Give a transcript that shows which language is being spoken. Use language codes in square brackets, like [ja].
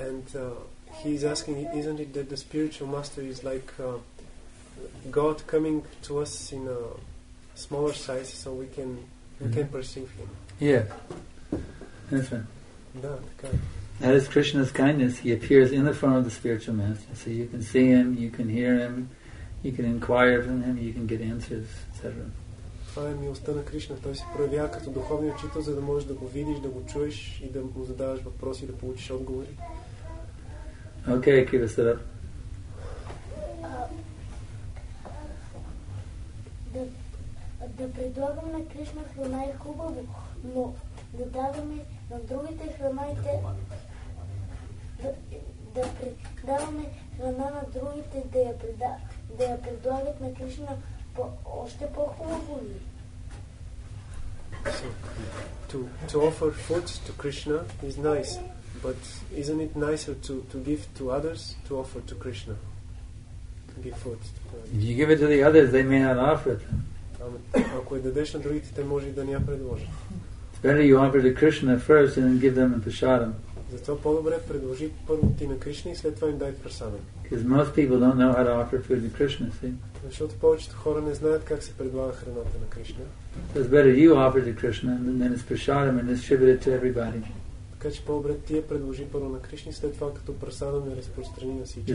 [en] And he's asking, isn't it that the spiritual master is like God coming to us in a smaller size, so we can can perceive him. Yeah, that's right. Yeah, that is Krishna's kindness. He appears in the form of the spiritual master, so you can see him, you can hear him, you can inquire from him, you can get answers, etc. [bg] Това е милостта на Кришна. Той се проявява като духовния учител, за да можеш да го видиш, да го чуеш и да му задаваш въпроси и да получиш отговори. Окей, Кива Сарат. Да предлагам на Кришна храна е хубаво, но да даваме на другите храна и те... Да предлагаме храна на другите, да я предлагат на Кришна още по-хубаво ли? [en] So, to offer food to Krishna is nice, but isn't it nicer to give to others, to offer to Krishna? To give food to others. If you give it to the others, they may not offer it. [bg] Ако я дадеш на другите, те може и да не я предложат. [en] It's better you offer to Krishna first and then give them a prasadam. [bg] Затова по-добре предложи първо ти на Кришна и след това им дай прасадам. [en] Because most people don't know how to offer food to Krishna, see? [bg] Защото повечето хора не знаят как се предлага храната на Кришна. [en] So it's better you offer to Krishna and then it's prasadam and distribute it to everybody. [bg] Така че по-добре ти я предложи първо на Кришна и след това като прасадам я разпространи на всички.